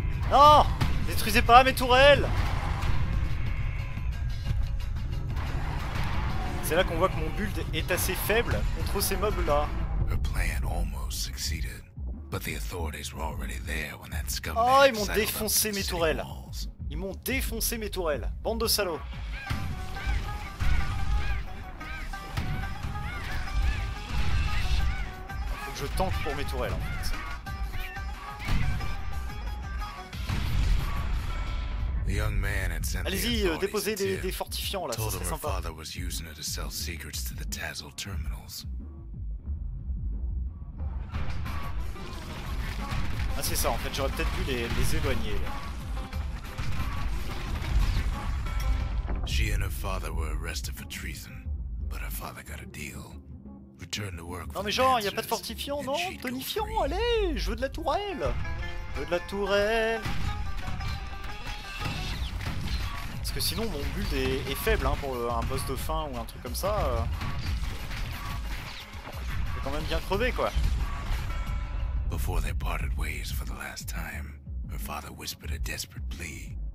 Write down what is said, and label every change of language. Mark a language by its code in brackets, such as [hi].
[fr] Non! Détruisez pas mes tourelles! C'est là qu'on voit que mon build est assez faible contre ces mobs-là. [en] Her plan almost succeeded, but the authorities were already there when that scumbag. [fr] Oh, ils m'ont défoncé mes tourelles! Ils m'ont défoncé mes tourelles, bande de salauds. Faut que je tente pour mes tourelles en fait. [en] The young man had sent [fr] allez-y, [en] the [fr] déposez des fortifiants là, ça serait sympa. [en] Father was using her to sell secrets to the Tazzle terminals. [fr] Ah c'est ça, en fait j'aurais peut-être dû les éloigner là. [en] She and her father were arrested for treason, but her father got a deal. Return to work. [fr] Non mais genre, y a pas de fortifiant, non? Tonifiant, allez, je veux de la tourelle. Je veux de la tourelle. Parce que sinon, mon build est faible hein, pour un boss de fin ou un truc comme ça. C'est quand même bien crevé, quoi. [en] Before they parted ways for the last time, her father whispered a desperate plea.